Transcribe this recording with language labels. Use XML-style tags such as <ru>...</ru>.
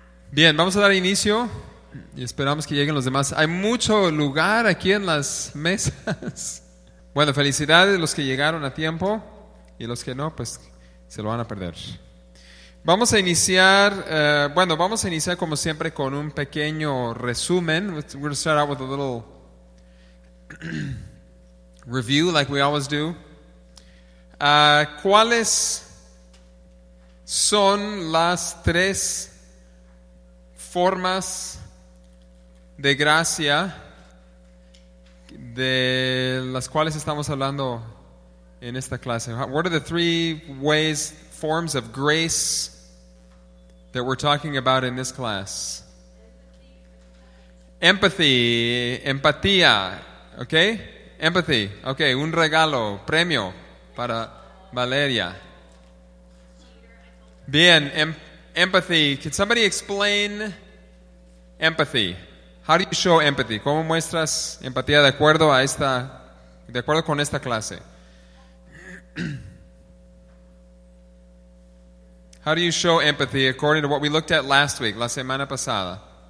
<es>Bien, vamos a dar inicio y esperamos que lleguen los demás. Hay mucho lugar aquí en las mesas. Bueno, felicidades a los que llegaron a tiempo y los que no, pues se lo van a perder. Vamos a iniciar, vamos a iniciar como siempre con un pequeño resumen.</es> <en>We're going to start out with a little review like we always do.</en> <es>¿Cuáles son las tres formas de gracia de las cuales estamos hablando en esta clase?</es> <en>What are the three ways, forms of grace that we're talking about in this class? Empathy. Empatía. Okay? Empathy.</en> <es>Okay, un regalo, premio para Valeria.</es> <en>Bien, empathy. Can somebody explain empathy? How do you show empathy?</en> <es>¿Cómo muestras empatía de acuerdo a esta, de acuerdo con esta clase?</es> <en>How do you show empathy according to what we looked at last week,</en> <es>la semana pasada?</es>